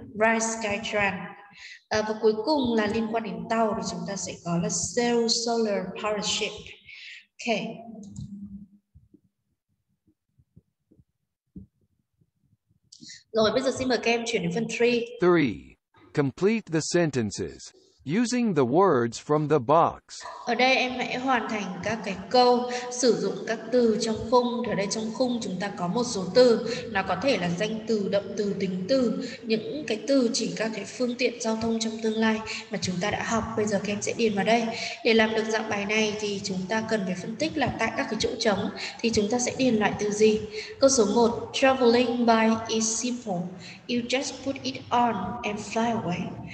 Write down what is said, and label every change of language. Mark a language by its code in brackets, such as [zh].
[en] Ride Skytrain. [vi] Và cuối cùng là liên quan đến tàu thì chúng ta sẽ có là [en] sail solar powered ship. [vi] Ok. Rồi bây giờ xin mời các em chuyển đến phần 3. 3. [en] Complete the sentences using the words from the box. [vi] Ở đây em hãy hoàn thành các cái câu sử dụng các từ trong khung. Ở đây trong khung chúng ta có một số từ, nó có thể là danh từ, động từ, tính từ, những cái từ chỉ các cái phương tiện giao thông trong tương lai mà chúng ta đã học. Bây giờ các em sẽ điền vào đây. Để làm được dạng bài này thì chúng ta cần phải phân tích là tại các cái chỗ trống thì chúng ta sẽ điền loại từ gì. Câu số 1, [en] traveling by is simple. You just put it on and fly away.